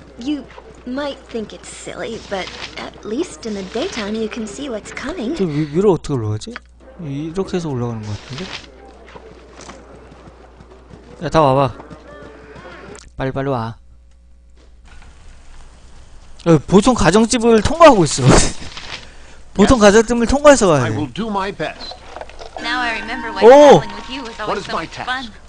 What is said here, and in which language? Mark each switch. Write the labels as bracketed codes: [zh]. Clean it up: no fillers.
[en] You might think it's silly, but at least in the daytime you can see what's coming. [ko] 저 위로 어떻게 올라가지? 이렇게 해서 올라가는 것 같은데. 야, 다 와봐. 빨리 와. 보통 가정집을 통과하고 있어. 보통 [en] yes. [ko] 가정집을 통과해서 가야 돼. [en] I will do my best. Now I remember why traveling with you was always so much fun.